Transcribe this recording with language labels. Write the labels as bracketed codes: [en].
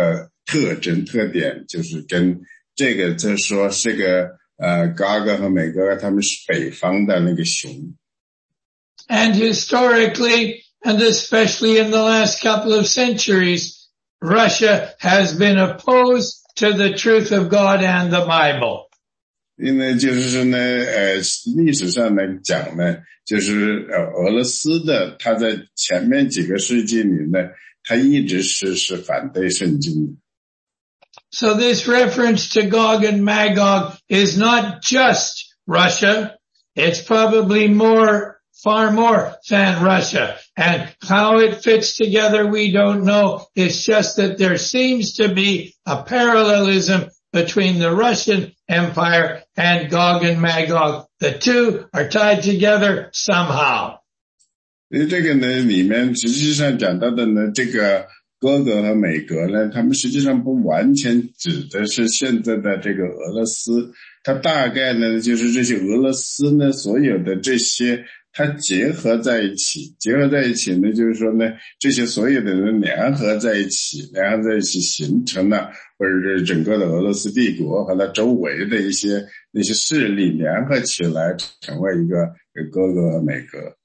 [zh] 因为第三个原因呢，是那个俄罗斯的象征呢，就是那个大熊。大熊呢，实际上呢，圣经里头一直把熊呢，就说成是这个里面的特征特点，就是跟 [en] And historically, and especially in the last couple of centuries, Russia has been opposed to the truth of God and the Bible. [zh] 因为就是呢，历史上来讲呢，就是俄罗斯的，他在前面几个世纪里呢，他一直是反对圣经的。 [en] So this reference to Gog and Magog is not just Russia. It's probably more, far more than Russia. And how it fits together, we don't know. It's just that there seems to be a parallelism between the Russian Empire and Gog and Magog. The two are tied together somehow. [zh] 这个呢，里面实际上讲到的呢，这个 哥哥和美格呢，他们实际上不完全指的是现在的这个俄罗斯，它大概呢就是这些俄罗斯呢所有的这些，它结合在一起，就是说呢这些所有的人联合在一起，联合在一起形成了，或者是整个的俄罗斯帝国和它周围的一些那些势力联合起来，成为一个哥哥和美格。